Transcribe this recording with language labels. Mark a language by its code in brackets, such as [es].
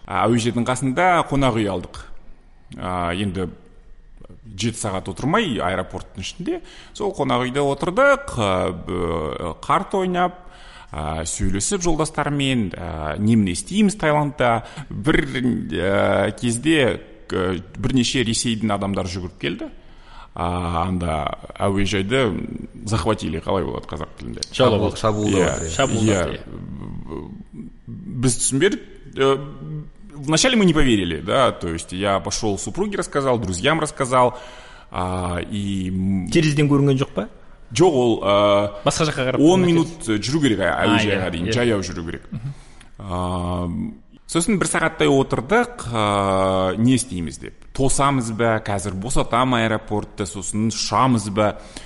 [kk] Әуежайдың қасында қонақ үй алдық. Енді 7 сағат отырмай аэропорттың ішінде, сол қонақ үйде отырдық, қарт ойнап, сөйлесіп жолдастармен, немне істейміз Таиландта. Бір кезде бірнеше ресейдің адамдары жүгіріп келді. Анда әуежайды захватили, қалай болады қазақ тілінде? Біз түсінбедік. [ru] Вначале мы не поверили, да, то есть я пошел супруге рассказал, друзьям рассказал, и... [kk] Терезден көрінген жоқ па? Жоқ, ол... Басқа жаққа қарап. 10 минут жүру керек, әуежайға дейін, жаяу жүру керек. Сосын бір сағаттай отырдық, не істейміз деп. Тосамыз ба, қазір босатам аэропортты, сосын шамыз ба.